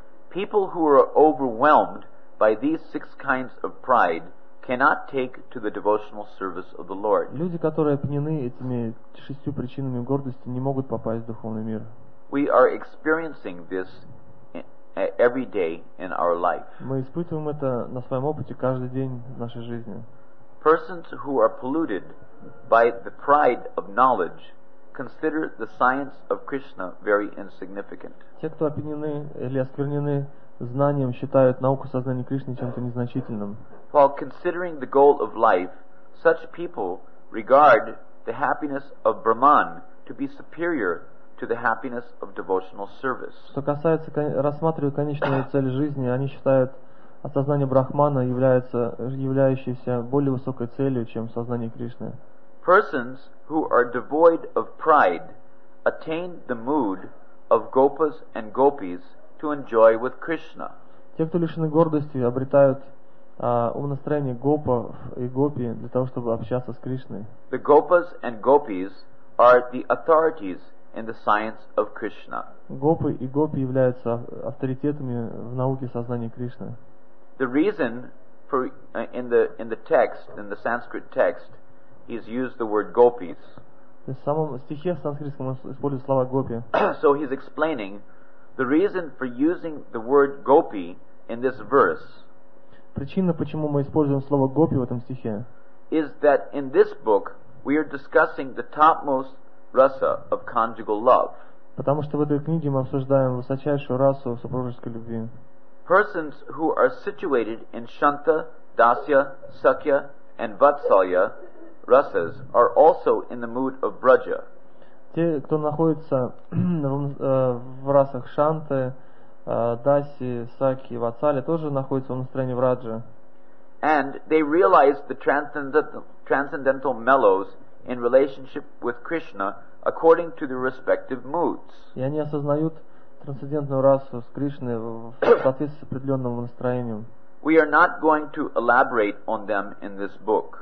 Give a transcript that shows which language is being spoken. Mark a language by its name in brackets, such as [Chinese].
[English] People who are overwhelmed by these six kinds of pride cannot take to the devotional service of the Lord. [Russian] Люди, которые опьянены этими шестью причинами гордости, не могут попасть в духовный мир. [English] We are experiencing this every day in our life. [Russian] Мы испытываем это на своем опыте каждый день нашей жизни. [English] Persons who are polluted by the pride of knowledge consider the science of Krishna very insignificant. [Russian] Те, кто опьянены или осквернены знанием, считают науку сознания Кришны чем-то незначительным. [English] While considering the goal of life, such people regard the happiness of Brahman to be superior to the happiness of devotional service. [Russian] Что касается рассматривают конечную цель жизни, они считают осознание Брахмана являющееся более высокой целью, чем сознание Кришны. [English] Persons who are devoid of pride attain the mood of gopas and gopis to enjoy with Krishna. [Russian] Те, кто лишены гордости, обретают умонастроение гопов и гопи для того, чтобы общаться с Кришной. [English] The gopas and gopis are the authorities in the science of Krishna. [Russian] Гопы и гопи являются авторитетами в науке сознания Кришны. [English] The reason for in the text, in the Sanskrit text, he's used the word gopis. [Russian] В самом стихе санскритском используют слово гопи. [English] So he's explaining the reason for using the word gopi in this verse. [Russian] Причина, почему мы используем слово гопи в этом стихе, [English] is that in this book we are discussing the topmost rasa of conjugal love. [Russian] Потому что в этой книге мы обсуждаем высочайшую расу супружеской любви. [English] Persons who are situated in Shanta, Dasya, Sakya, and Vatsalya rasas are also in the mood of Braja. [Russian] Те, кто находится в расах Шанты, Даси, Саки, Ватсали тоже находятся в настроении Враджа. [English] And they realize the transcendental mellows in relationship with Krishna according to their respective moods. [Russian] И они осознают трансцендентную расу с Кришной в соответствии с определенным настроением. [English] We are not going to elaborate on them in this book.